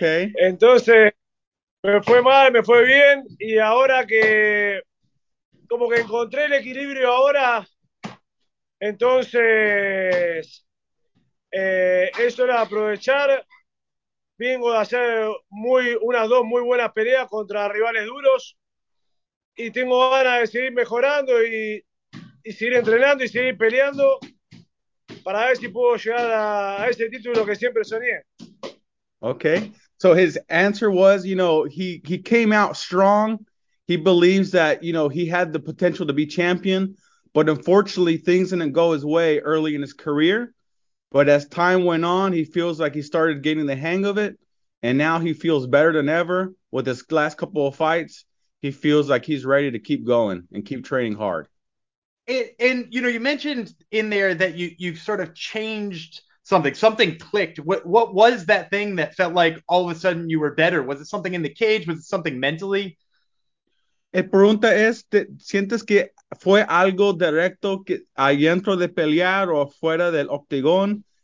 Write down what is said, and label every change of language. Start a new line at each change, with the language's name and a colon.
Spanish: Entonces, me fue mal, me fue bien y ahora que como que encontré el equilibrio ahora, entonces eso era aprovechar. Vengo de hacer unas dos muy buenas peleas contra rivales duros y tengo ganas de seguir mejorando y seguir entrenando y seguir peleando para ver si puedo llegar a ese título que siempre soñé.
English: Okay, so his answer was, you know, he came out strong. He believes that, you know, he had the potential to be champion, but unfortunately things didn't go his way early in his career. But as time went on, he feels like he started getting the hang of it. And now he feels better than ever with his last couple of fights. He feels like he's ready to keep going and keep training hard. And you know, you mentioned in there that you've sort of changed something clicked. What was that thing that felt like all of a sudden you were better? Was it something in the cage? Was it something mentally?
Spanish: La pregunta es, ¿sientes que fue algo directo que adentro de pelear o afuera del octagón?